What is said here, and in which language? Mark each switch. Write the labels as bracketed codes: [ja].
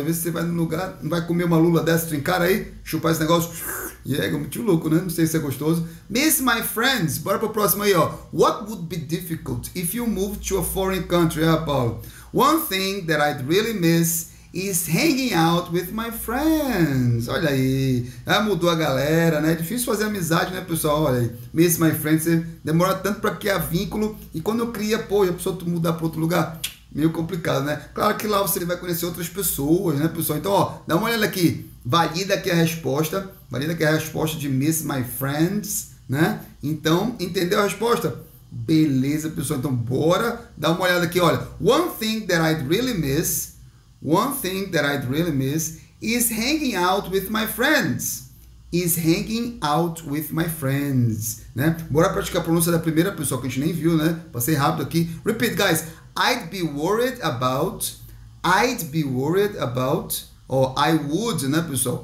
[pt] Às vezes você vai no lugar, não vai comer uma lula dessa, trincar aí, chupar esse negócio. E é muito louco, né? Não sei se é gostoso. [en] Miss my friends. [pt] Bora pro próximo aí, ó. [en] What would be difficult if you moved to a foreign country, Paulo? One thing that I'd really miss is hanging out with my friends. [pt] Olha aí. Já mudou a galera, né? É difícil fazer amizade, né, pessoal? Olha aí. [en] Miss my friends, [pt] demora tanto para criar vínculo. E quando eu cria, pô, a pessoa mudar para outro lugar, meio complicado, né? Claro que lá você vai conhecer outras pessoas, né, pessoal? Então, ó, dá uma olhada aqui. Valida aqui a resposta. Valida aqui a resposta de [en] Miss my friends, [pt] né? Então, entendeu a resposta? Beleza, pessoal. Então, bora dar uma olhada aqui. [en] Olha, one thing that I'd really miss. One thing that I'd really miss is hanging out with my friends. Is hanging out with my friends, né? [pt] Bora praticar a pronúncia da primeira pessoa que a gente nem viu, né? Passei rápido aqui. [en] Repeat, guys. I'd be worried about, ou I would, né, pessoal?